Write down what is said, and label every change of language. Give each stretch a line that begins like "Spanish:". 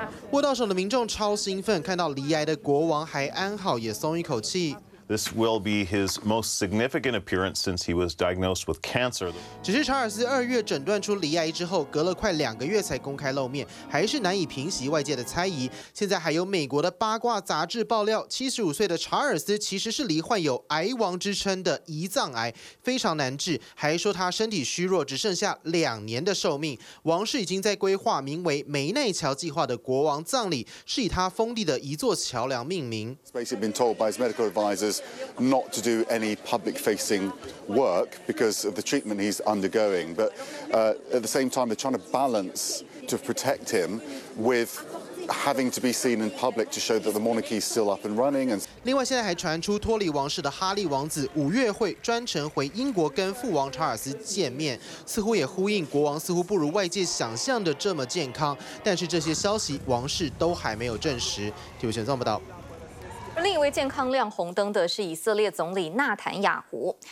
Chinese: 握到手的民众超兴奋，看到罹癌的国王还安好，也松一口气。
English: This will be his most significant appearance since he was diagnosed with cancer.
Chinese: 只是查尔斯二月诊断出罹癌之后，隔了快两个月才公开露面，还是难以平息外界的猜疑。现在还有美国的八卦杂志爆料，75岁的查尔斯其实是罹患有癌王之称的胰脏癌，非常难治，还说他身体虚弱，只剩下两年的寿命。王室已经在规划名为梅内桥计划的国王葬礼，是以他封地的一座桥梁命名。
English: It's basically been told by his medical advisors. Not to do any public facing work because of the treatment he's undergoing. But at the same time, they're trying to balance to protect him with having to be seen in public to show that the monarchy is still up and running.
Chinese: 另外现在还传出脱离王室的哈利王子五月会专程回英国跟父王查尔斯见面，似乎也呼应国王似乎不如外界想象的这么健康。但是这些消息王室都还没有证实。体育新闻这么报。另一位健康亮红灯的是以色列总理纳坦雅胡。